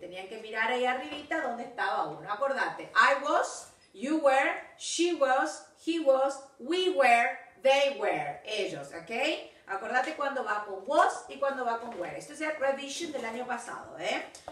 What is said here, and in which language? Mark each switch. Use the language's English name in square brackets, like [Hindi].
[Spanish] Tenían que mirar ahí arribita donde estaba uno. Acordate. [English] I was, you were, she was, he was, we were, they were. [Spanish] Ellos, okay? Acordate cuando va con was y cuando va con were. Esto es el revision del año pasado, ¿eh?